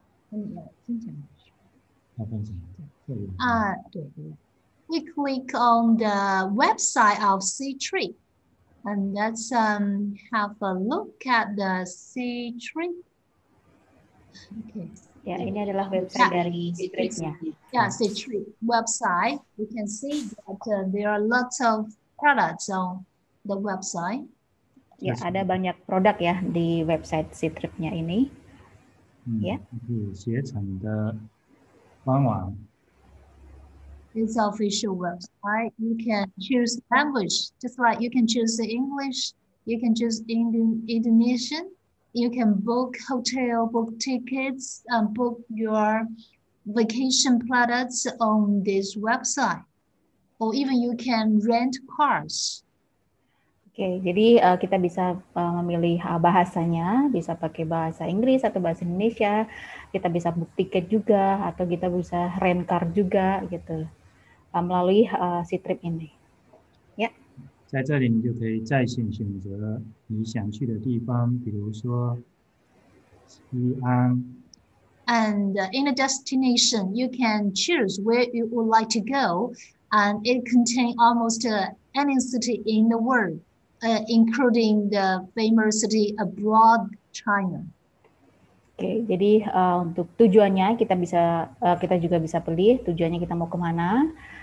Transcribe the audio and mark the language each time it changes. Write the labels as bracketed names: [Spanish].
[English] We click on the website of Ctrip, and let's have a look at the Ctrip. Okay. [Indonesian] Yeah, ini adalah website dari Ctrip-nya. [English] Yeah, Ctrip website. We can see that there are lots of products on the website. [Indonesian] Yeah, ada banyak produk ya di website Ctrip-nya ini. Yeah. Ctrip-nya. [Chinese] 官网. [English] It's official website. You can choose language, just like you can choose the English, you can choose Indonesian. You can book hotel, book tickets, and book your vacation products on this website. Or even you can rent cars. [Indonesian] Okay, jadi kita bisa memilih bahasanya, bisa pakai bahasa Inggris atau bahasa Indonesia. Kita bisa book tiket juga, atau kita bisa rent car juga, gitu, melalui Ctrip ini. Ya. [English] Yeah. [Indonesian] Di sini, kita bisa memilih tempat yang kita inginkan, misalnya Xi'an. [English] And in a destination, you can choose where you would like to go, and it contains almost any city in the world, including the famous city abroad, China. [Indonesian] Oke, okay, jadi untuk tujuannya kita bisa kita juga bisa pilih tujuannya kita mau kemana.